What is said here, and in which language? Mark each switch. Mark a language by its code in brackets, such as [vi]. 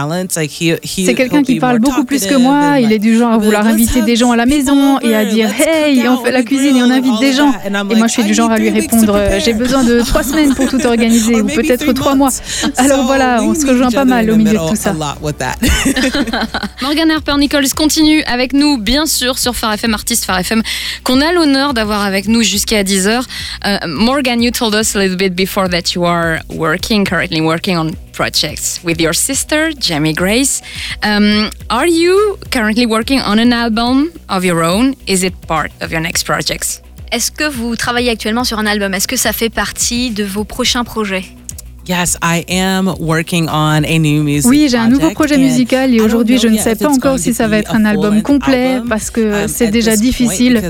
[fr] C'est quelqu'un qui parle beaucoup plus que moi, il est du genre à vouloir inviter des gens à la maison et à dire hey, on fait la cuisine et on invite des gens, et moi je suis du genre à lui répondre j'ai besoin de 3 semaines pour tout organiser, ou peut-être 3 mois. Alors voilà, on se rejoint pas mal au milieu de tout ça. Morgan Harper-Nichols continue avec nous bien sûr sur Phare FM, artiste Phare FM qu'on a l'honneur d'avoir avec nous jusqu'à 10h. [en] Morgan, you told us a little bit before that you are currently working on projects with your sister, Jamie Grace. Are you currently working on an album of your own? Is it part of your next projects? [fr] Est-ce que vous travaillez actuellement sur un album? Est-ce que ça fait partie de vos prochains projets? [en] Yes, I am working on a new music. [fr] Oui, j'ai un nouveau projet musical et aujourd'hui, je ne sais pas encore si ça va être un album complet parce que c'est déjà difficile.